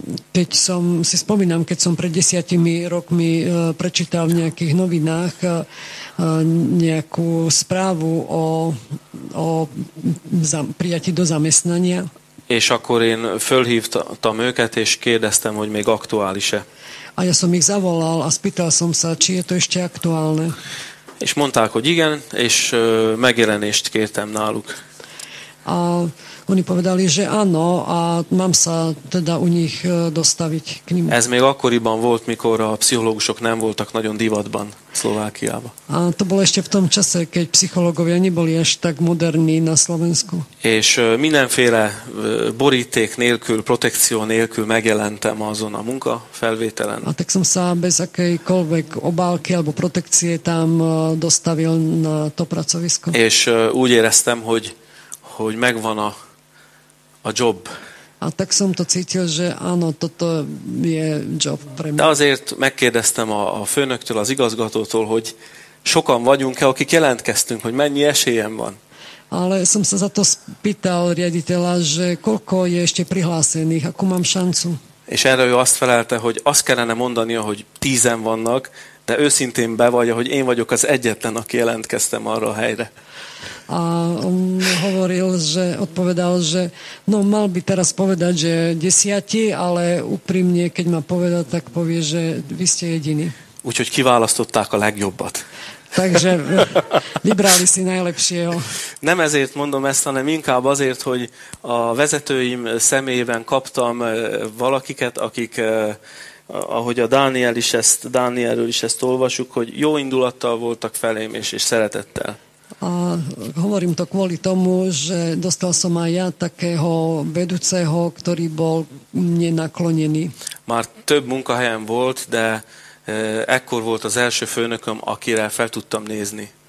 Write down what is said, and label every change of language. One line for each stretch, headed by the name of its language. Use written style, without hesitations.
Slovak: Keď som si spomínam, keď som pred 10 rokmi prečítal v nejakých novinách nejakú správu o prijatí do zamestnania.
Hungarian: És akkor én fölhívtam őket, és kérdeztem, hogy még aktuális-e.
Slovak: A ja som ich zavolal a spýtal som sa, či je to ešte aktuálne.
Hungarian: És mondták, hogy igen, és megjelenést kértem náluk.
Slovak: A oni povedali, že áno, a mám sa teda u nich dostaviť k ním.
Hungarian: Ez még akkoriban volt, mikor a pszichológusok nem voltak nagyon divatban Szlovákiában.
Slovak: A to bolo ešte v tom čase, keď psychológovia neboli až tak moderní na Slovensku.
Hungarian: És mindenféle boríték nélkül, protekció nélkül megjelentem azon a munkafelvételen.
Slovak: A tak som sa bez akejkoľvek obálky alebo protekcie tam dostavil na to pracovisko.
Hungarian: És úgy éreztem, hogy megvan a job.
Slovak: A tak som to cítil, že áno, toto je job pre mňa.
Hungarian: De azért megkérdeztem a főnöktől, az igazgatótól, hogy sokan vagyunk-e, akik jelentkeztünk, hogy mennyi esélyem van.
Slovak: Ale som sa za to spýtal riaditeľa, že koľko je ešte prihlásených, akú mám šancu.
Hungarian: És erre ő azt felelte, hogy azt kellene mondania, hogy 10 vannak, de őszintén bevallja, hogy én vagyok az egyetlen, aki jelentkeztem arra a helyre.
Slovak: A on hovoril, že odpovedal, že no mal by teraz povedať, že 10, ale úprimne, keď má povedať, tak povie, že vy ste jediný.
Hungarian: Úgyhogy kiválasztották a legjobbat.
Slovak: Takže vybrali si najlepšieho.
Hungarian: Nem ezért mondom ezt, hanem inkább azért, hogy a vezetőim személyében kaptam valakiket, akik, ahogy a Dánielről is ezt olvasuk, hogy jó indulattal voltak felém és szeretettel.
Slovak: A hovorím to kvôli tomu, že dostal som aj ja takého vedúceho, ktorý bol mne naklonený.
Hungarian: Már több munkahelyen volt, de ekkor volt az első főnököm, akire fel tudtam nézni.